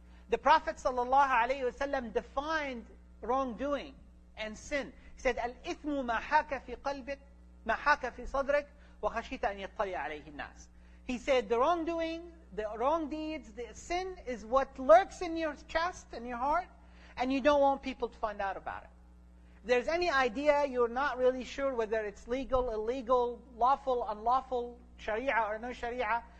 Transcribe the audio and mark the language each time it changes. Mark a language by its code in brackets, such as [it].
[en] The Prophet ﷺ defined wrongdoing and sin. He said, [ar] الْإِثْمُ مَا حَاكَ فِي قَلْبِكَ مَا حَاكَ فِي صَدْرِكَ وَخَشِيتَ أَنْ يَطَّلِعَ عَلَيْهِ النَّاسِ. [en] He said, the wrongdoing, the wrong deeds, the sin is what lurks in your chest, in your heart, and you don't want people to find out about it. If there's any idea, you're not really sure whether it's legal, illegal, lawful, unlawful, sharia or no sharia.